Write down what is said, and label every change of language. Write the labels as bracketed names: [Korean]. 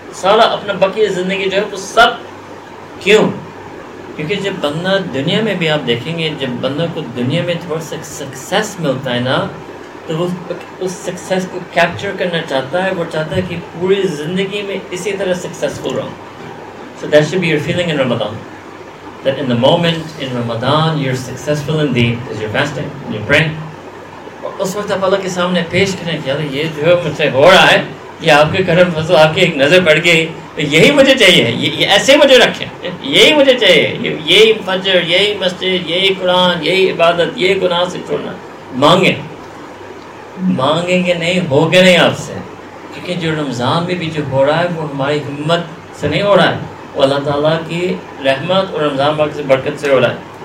[Urdu] سارا اپنا بقیہ زندگی جو ہے وہ سب کیوں؟ کیونکہ جب بندہ دنیا میں بھی آپ دیکھیں گے، جب بندہ کو دنیا میں تھوڑا سا سکسیس ملتا ہے نا، تو وہ اس سکسیس کو کیپچر کرنا چاہتا ہے، وہ چاہتا ہے کہ پوری زندگی میں اسی طرح سکسیزفل رہوں. [English] So that should be your feeling in Ramadan, that in the moment in Ramadan you're successful in deen as you're fasting and you're praying. [Urdu] اس وقت آپ اللہ کے سامنے پیش کریں کہ اللہ یہ جو مجھ سے ہو رہا ہے، یہ آپ کے کرم فضل، آپ کی ایک نظر پڑ گئی، یہی مجھے چاہیے، یہ ایسے مجھے رکھیں، یہی مجھے چاہیے، یہی فجر، یہی مسجد، یہی قرآن، یہی عبادت، یہی گناہ سے چھوڑنا. مانگیں، مانگیں گے نہیں ہوگے نہیں آپ سے، کیونکہ جو رمضان میں بھی جو ہو رہا ہے وہ ہماری ہمت سے نہیں ہو رہا ہے، وہ اللہ تعالیٰ کی رحمت اور رمضان باقی سے برکت سے ہو رہا ہے.